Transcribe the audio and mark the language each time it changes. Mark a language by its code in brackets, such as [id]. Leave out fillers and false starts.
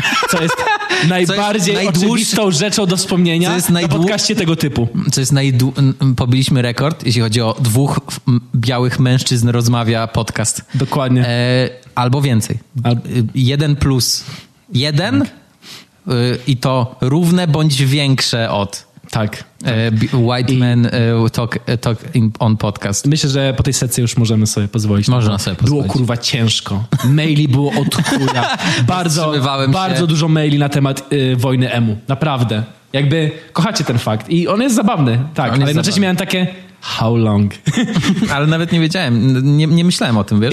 [pl] Co jest najbardziej oczywistą rzeczą do wspomnienia na podcaście tego typu. Co jest pobiliśmy rekord, jeśli chodzi o dwóch białych mężczyzn rozmawia podcast. Dokładnie. Albo więcej. Jeden plus jeden i to równe bądź większe od... Tak. [en] White Men talk on podcast. [pl] Myślę, że po tej sesji już możemy sobie pozwolić. Można sobie pozwolić. Było kurwa ciężko. Maili było od chuja. Bardzo dużo maili na temat wojny emu. Naprawdę. Jakby kochacie ten fakt. I on jest zabawny. Tak, ale jednocześnie miałem takie how long? Ale nawet nie wiedziałem. Nie myślałem o tym, wiesz?